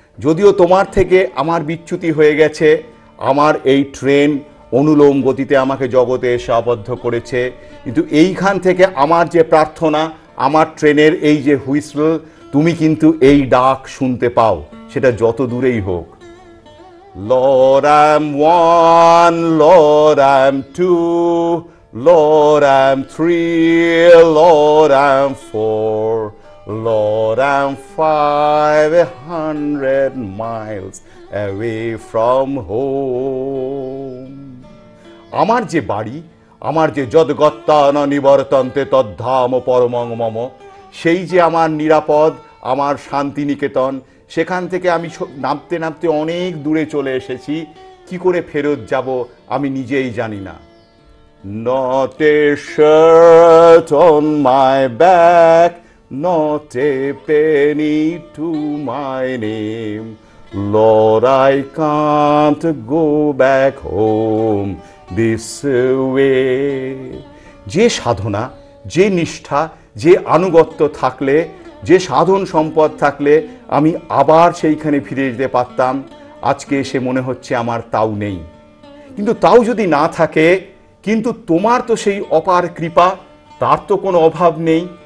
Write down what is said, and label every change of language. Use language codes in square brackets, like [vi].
[bn] যদিও তোমার থেকে আমার বিচ্যুতি হয়ে গেছে, আমার এই ট্রেন অনুলোম গতিতে আমাকে জগতে এসে আবদ্ধ করেছে, কিন্তু এইখান থেকে আমার যে প্রার্থনা, আমার ট্রেনের এই যে হুইসল, তুমি কিন্তু এই ডাক শুনতে পাও সেটা যত দূরেই হোক। [en] Lord, I'm one, Lord, I'm two, Lord, I'm three, Lord, I'm four, Lord, I'm 500 miles away from home। [bn] আমার যে বাড়ি, আমার যে জগত্তান [sa] নিবর্তন্তে তদ্ধাম পরমং মম, [bn] সেই যে আমার নিরাপদ, আমার শান্তিনিকেতন, সেখান থেকে আমি নামতে নামতে অনেক দূরে চলে এসেছি, কি করে ফেরত যাব আমি নিজেই জানি না। [en] Not a shirt on my back, not a penny to my name, Lord, I can't go back home this way। [bn] যে সাধনা, যে নিষ্ঠা, যে আনুগত্য থাকলে, যে সাধন সম্পদ থাকলে আমি আবার সেইখানে ফিরে যেতে পারতাম, আজকে এসে মনে হচ্ছে আমার তাও নেই। কিন্তু তাও যদি না থাকে, কিন্তু তোমার তো সেই অপার কৃপা, তার তো কোনো অভাব নেই।